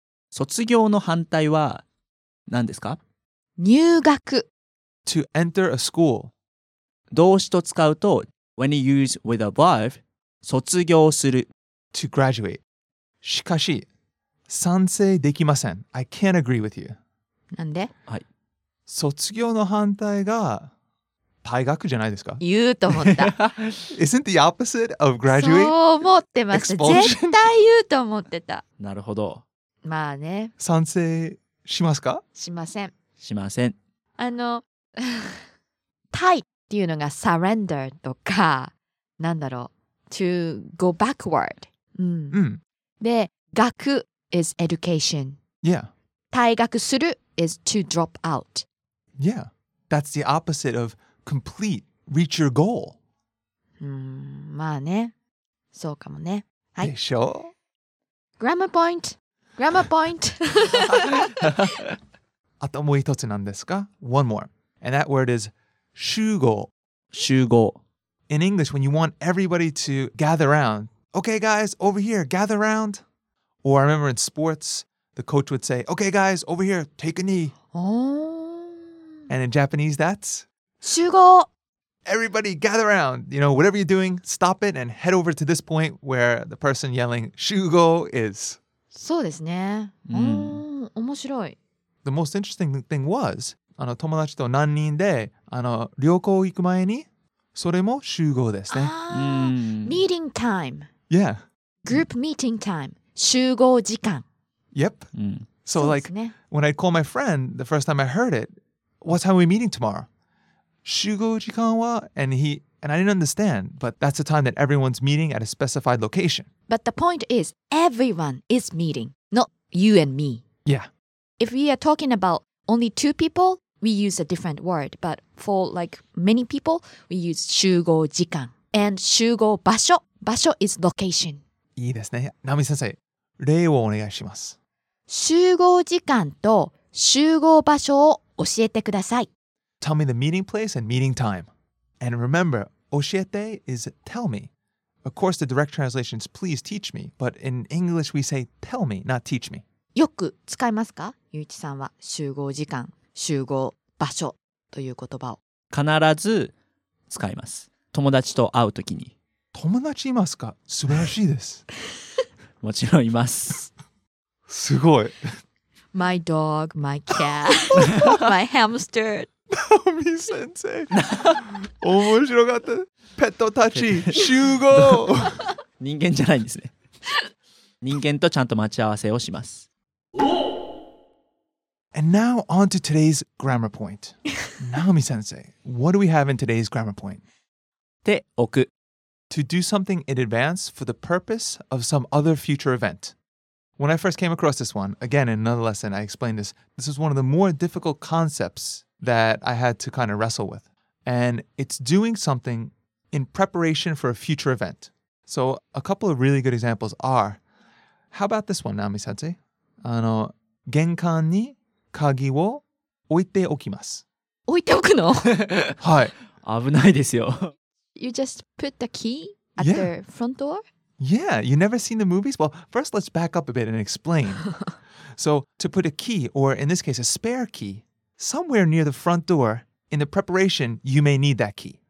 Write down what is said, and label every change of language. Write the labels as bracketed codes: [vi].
[ja] 卒業の反対は何ですか入学 [en] To enter a school [ja] 動詞と使うと [en] When you use with a verb [ja] 卒業する [en] To graduate [ja] しかし賛成できません。 [en] I can't agree with you [ja] なんで、はい、卒業の反対が退学じゃないですか言うと思った [en] Isn't the opposite of graduate? [ja] そう思ってました絶対言うと思ってたなるほどまあね賛成しますかしませんしませんあの退っていうのが surrender とかなんだろう [en] to go backward、 [ja] で学 [en] is education yeah 退学する is to drop out yeah that's the opposite ofComplete, reach your goal. [ja] まあね。そうかもね。はい。でしょ? [en] Grammar point! Grammar point! [ja] あともう一つなんですか? [en] One more. And that word is 集合。 [ja] 集合。 [en] In English, when you want everybody to gather around, okay guys, over here, gather around. Or I remember in sports, the coach would say, okay guys, over here, take a knee. And in Japanese, that's... [ja] 集合 [en] Everybody gather around. You know, whatever you're doing, stop it and head over to this point where the person yelling 集合 is. [ja] そうですね。面白い。 [en] The most interesting thing was, [ja] 友達と何人で旅行行く前に、それも集合ですね。 [en] Meeting time. Yeah. Group meeting time. 集合時間。 Yep. So like, when I call my friend the first time I heard it, what time are we meeting tomorrow? 集合時間は and I didn't understand, but that's the time that everyone's meeting at a specified location. But the point is, everyone is meeting, not you and me. Yeah. If we are talking about only two people, we use a different word. But for like many people, we use 集合時間 and 集合場所場所 is location. [ja] いいですね。ナミ先生、例をお願いします。集合時間と集合場所を教えてください。 [en] Tell me the meeting place and meeting time. And remember, 教えて is tell me. Of course, the direct translation is please teach me. But in English, we say tell me, not teach me. [ja] よく使いますか? ゆういちさんは集合時間、集合場所という言葉を。必ず使います。友達と会うときに。友達いますか?素晴らしいです。もちろんいます。すごい。 [en] My dog, my cat, my hamster. [ja] Naomi sensei. 面白かった。ペットたち集合。人間じゃないんですね。人間とちゃんと待ち合わせをします。 [en] And now on to today's grammar point. Naomi sensei, what do we have in today's grammar point? [ja] 手置く。 [en] To do something in advance for the purpose of some other future event. When I first came across this one, again, in another lesson, I explained this. This is one of the more difficult concepts that I had to kind of wrestle with. And it's doing something in preparation for a future event. So a couple of really good examples are, how about this one, Naomi sensei? [ja] 玄関に鍵を置いておきます。置いておくの？はい。危ないですよ。 [en] You just put the key at the front door? Yeah, you never seen the movies? Well, first let's back up a bit and explain. So, to put a key, or in this case, a spare key, somewhere near the front door, in the preparation, you may need that key.